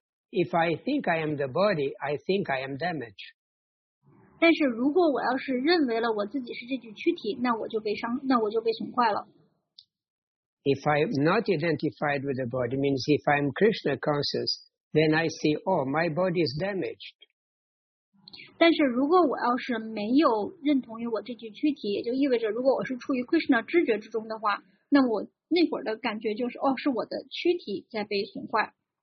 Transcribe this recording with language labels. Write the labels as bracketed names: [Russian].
[English] If I think I am the body, I think I am damaged. [Chinese] 但是如果我要是认为了我自己是这具躯体，那我就被损坏了。 [English] If I am not identified with the body, means if I am Krishna conscious, then I see, oh, my body is damaged. [Chinese] 但是如果我要是没有认同于我这具躯体，也就意味着如果我是处于 Krishna 知觉之中的话，那我那会儿的感觉就是，哦，是我的躯体在被损坏。